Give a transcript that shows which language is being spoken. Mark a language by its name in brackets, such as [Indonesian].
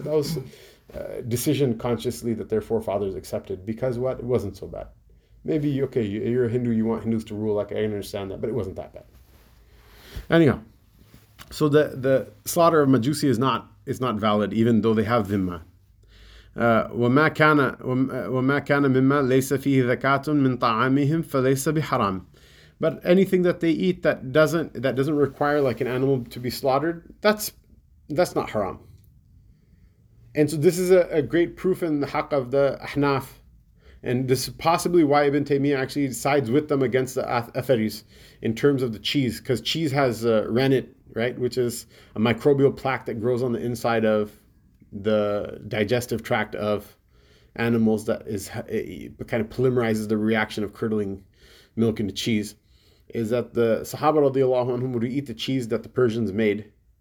[English] That was a decision consciously that their forefathers accepted, because what, it wasn't so bad. Maybe you're a Hindu, you want Hindus to rule, like, I understand that, but it wasn't that bad. Anyhow, so the slaughter of Majusi is not valid, even though they have dhimma. [Arabic] وما كان مما ليس فيه ذكاة من طعامهم فليس بحرام. [English] But anything that they eat that doesn't require like an animal to be slaughtered, that's not haram. And so this is a great proof in the haqq of the Ahnaf, and this is possibly why Ibn Taymiyyah actually sides with them against the Atharis in terms of the cheese, because cheese has rennet, right, which is a microbial plaque that grows on the inside of the digestive tract of animals that is kind of polymerizes the reaction of curdling milk into cheese, is that the Sahaba radiallahu anhum would eat the cheese that the Persians made.